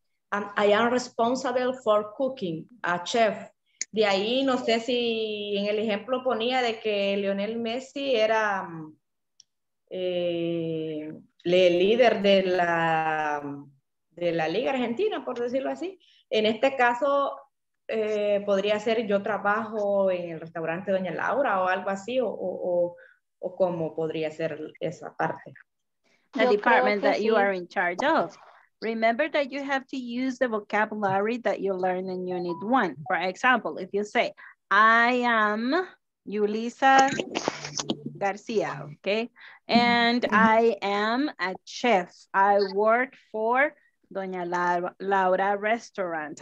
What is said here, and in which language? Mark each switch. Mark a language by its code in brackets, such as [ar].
[en] And I am responsible for cooking, a chef. [es] De ahí, no sé si en el ejemplo ponía de que Lionel Messi era el líder de la Liga Argentina, por decirlo así. En este caso, podría ser yo trabajo en el restaurante Doña Laura o algo así, o cómo podría ser esa parte. [en] The department that you are in charge of. Remember that you have to use the vocabulary that you learn in Unit 1. For example, if you say, I am Yulisa Garcia, okay? And I am a chef. I work for Doña Laura restaurant.